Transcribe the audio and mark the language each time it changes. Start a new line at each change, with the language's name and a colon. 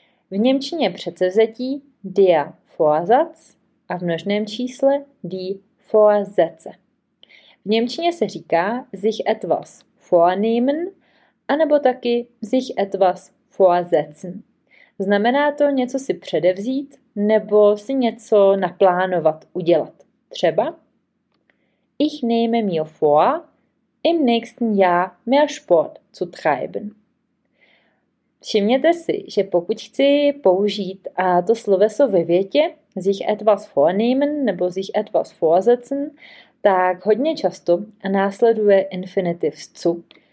Czech: V němčině předsevzetí
German: Der Vorsatz
Czech: a v množném čísle
German: Die Vorsätze.
Czech: V němčině se říká
German: sich etwas vornehmen,
Czech: anebo taky
German: sich etwas vorsetzen.
Czech: Znamená to něco si předevzít nebo si něco naplánovat, udělat. Třeba
German: ich nehme mir vor, im nächsten Jahr mehr Sport zu treiben.
Czech: Všimněte si, že pokud chci použít to sloveso ve větě
German: sich etwas vornehmen
Czech: nebo
German: sich etwas vorsetzen,
Czech: tak hodně často následuje infinitiv s
German: zu.